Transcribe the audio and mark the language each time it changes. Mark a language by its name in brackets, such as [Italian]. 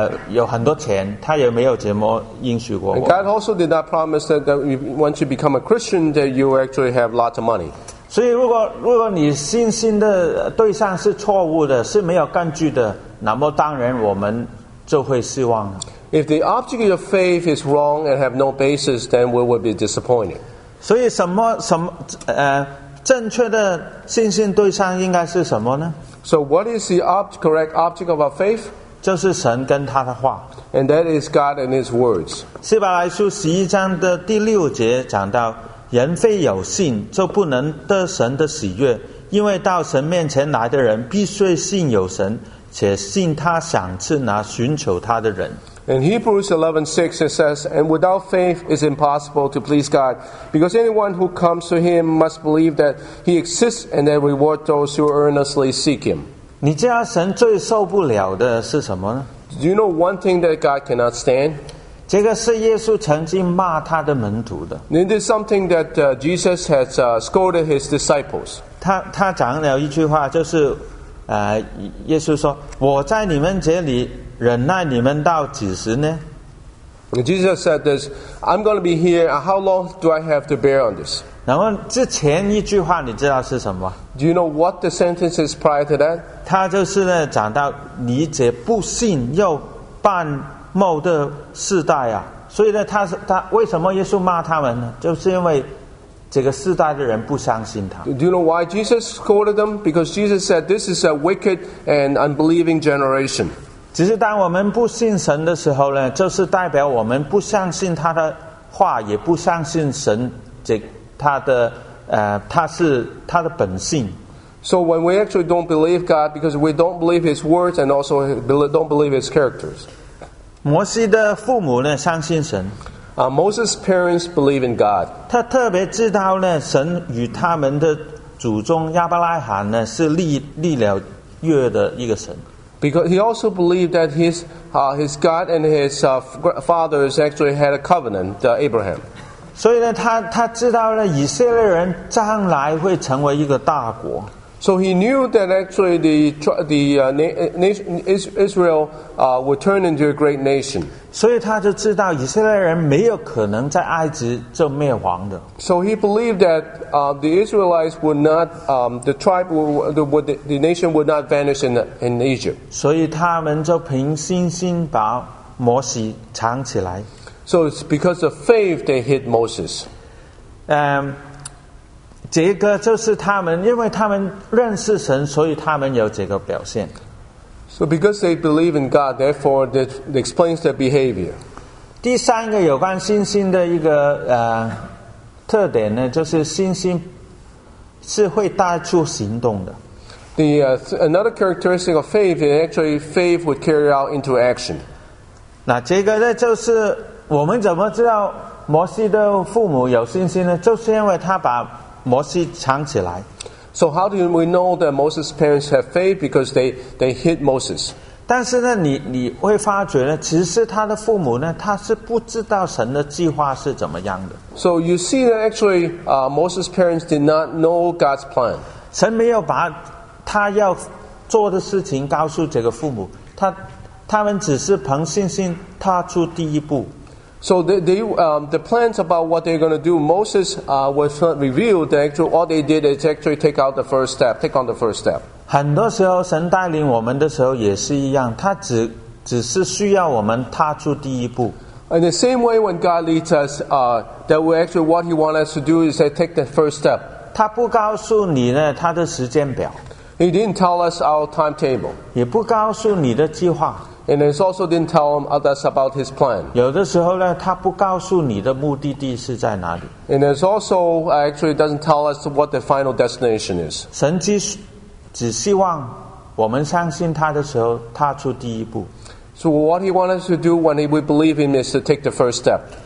[Chinese] 有很多钱, 他也没有这么应许过我。 [English] God also did not promise that once you become a Christian that you actually have lots of money. [Chinese] 所以如果你信心的对象是错误的, 是没有根据的, 那么当然我们就会失望了。 [English] If the object of faith is wrong and have no basis, then we will be disappointed. [Chinese] 所以什么, 正确的信心对象应该是什么呢? [English] So what is the correct object of our faith? [Chinese] 就是神跟他的话。 [English] And that is God and His words. [Chinese] 希伯来书十一章的第六节讲到，人非有信就不能得神的喜悦，因为到神面前来的人必须信有神，且信他赏赐那寻求他的人。 [English] In Hebrews 11:6 it says, And without faith it's impossible to please God, because anyone who comes to Him must believe that He exists and that reward those who earnestly seek Him. [Chinese] 你知道神最受不了的是什么呢？ [English] Do you know one thing that God cannot stand? [Chinese] 这个是耶稣曾经骂他的门徒的。 [English] It is something that Jesus has scolded His disciples. [Chinese] 他讲了一句话，就是耶稣说，我在你们这里忍耐你们到几时呢？ [English] Jesus said this, I'm going to be here, how long do I have to bear on this? [Chinese] 然后之前一句话你知道是什么？ [English] Do you know what the sentence is prior to that? [Chinese] 他就是呢讲到你这不信又半谬的世代啊，所以呢他为什么耶稣骂他们呢？就是因为这个世代的人不相信他。 [English] Do you know why Jesus scolded them? Because Jesus said this is a wicked and unbelieving generation. [Chinese] 只是当我们不信神的时候呢，就是代表我们不相信他的话，也不相信神这他的他是他的本性。 [English] So when we actually don't believe God because we don't believe His words and also don't believe His characters. [Chinese] 摩西的父母呢相信神。 [English] Moses' parents believe in God. [Chinese] 他特别知道呢，神与他们的祖宗亚伯拉罕呢是立了约的一个神。 [English] Because he also believed that his God and his fathers actually had a covenant, Abraham. [Chinese] 所以呢，他知道了以色列人将来会成为一个大国。 [English] So he knew that actually Israel would turn into a great nation. [Chinese] 所以他就知道以色列人没有可能在埃及就灭亡的。 [English] So he believed that the Israelites would not the tribe the nation would not vanish in Egypt. [Chinese] 所以他们就凭信心把摩西藏起来。 [English] So it's because of faith they hid Moses. [Chinese] 这个就是他们，因为他们认识神，所以他们有这个表现。 [English] So because they believe in God, therefore that explains their behavior. [Chinese] 第三个有关信心的一个特点呢，就是信心是会带出行动的。 [English] The another characteristic of faith is actually faith would carry out into action. [Chinese] 那这个呢，就是我们怎么知道摩西的父母有信心呢？就是因为他把摩西藏起来。 [English] So how do we know that Moses' parents have faith? Because they hid Moses. [Chinese] 但是呢，你会发觉呢，其实他的父母呢，他是不知道神的计划是怎么样的。 [English] So you see that actually, Moses' parents did not know God's plan. [Chinese] 神没有把他要做的事情告诉这个父母，他们只是凭信心踏出第一步。 [English] So the plans about what they're going to do, Moses was not revealed. That actually, all they did is actually take out the first step, take on the first step. [Chinese] 很多时候，神带领我们的时候也是一样，他只是需要我们踏出第一步。 [English] In the same way, when God leads us, that we actually what He wants us to do is take the first step. [Chinese] 他不告诉你呢他的时间表。 [English] He didn't tell us our timetable. [Chinese] 也不告诉你的计划。 [English] And it also didn't tell him others about his plan. [Chinese] 有的时候呢，他不告诉你的目的地是在哪里。 [English] And it also actually doesn't tell us what the final destination is. [Chinese] 神只希望我们相信他的时候踏出第一步。 [English] So what he wants us to do when we believe him is to take the first step.